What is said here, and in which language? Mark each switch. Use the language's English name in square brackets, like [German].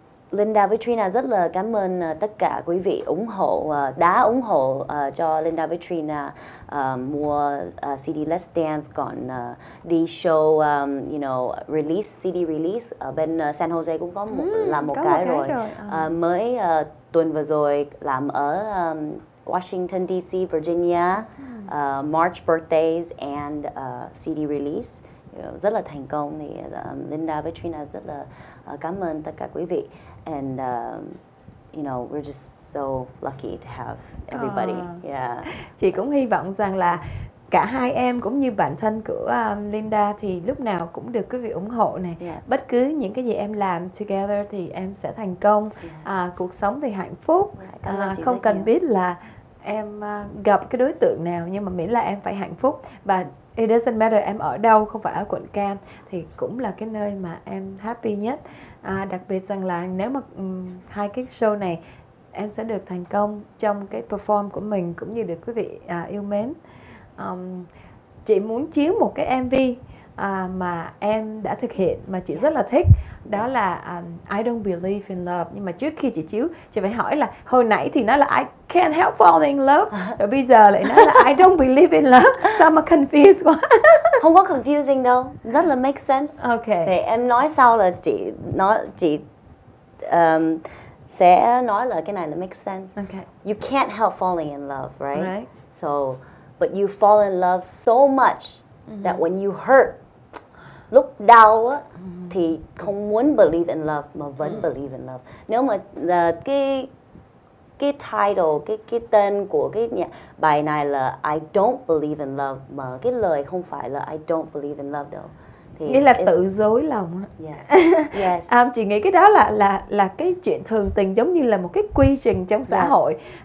[Vietnamese] Linda với Trina rất là cảm ơn tất cả quý vị ủng hộ, đã ủng hộ cho Linda với Trina mua CD Let's Dance, còn đi show, [English] you know, [Vietnamese] release, CD release ở bên San Jose cũng có một cái rồi. Mới tuần vừa rồi làm ở Washington DC, Virginia, [English] March birthdays and CD release. [Vietnamese] Rất là thành công thì Linda với Trina rất là cảm ơn tất cả quý vị. [English] And you know, we're just so lucky to have everybody. [Vietnamese] Chị cũng hy vọng rằng là cả hai em cũng như bản thân của Linda thì lúc nào cũng được quý vị ủng hộ này. Bất cứ những cái gì em làm together thì em sẽ thành công. Cuộc sống thì hạnh phúc. Không cần biết là em gặp cái đối tượng nào, nhưng mà miễn là em phải hạnh phúc. Và [English] it doesn't matter [Vietnamese] em ở đâu, không phải ở quận Cam thì cũng là cái nơi mà em happy nhất. Đặc biệt rằng là nếu mà hai cái show này em sẽ được thành công trong cái perform của mình cũng như được quý vị yêu mến. Chị muốn chiếu một cái MV mà em đã thực hiện mà chị rất là thích. Đó là I Don't Believe in Love. Nhưng mà trước khi chị chiếu, chị phải hỏi là hồi nãy thì nó là I Can't Help Falling in Love, rồi bây giờ lại nói là I Don't Believe in Love. Sao mà confused quá. Không có confusing đâu, rất là make sense. [English] Ok. [Vietnamese] Thì em nói sau là chị nói, chị sẽ nói là cái này là make sense. [English] Okay. You can't help falling in love, right? Right. So, but you fall in love so much that when you hurt, [Vietnamese] lúc đau á, thì không muốn [English] believe in love [Vietnamese] mà vẫn believe in love. Nếu mà cái title, cái tên của cái bài này là I don't believe in love mà cái lời không phải là I don't believe in love đâu. Nghĩa là tự dối lòng. [English] Yes. Yes. [Vietnamese] Chị nghĩ cái đó là cái chuyện thường tình, giống như là một cái quy trình trong xã hội.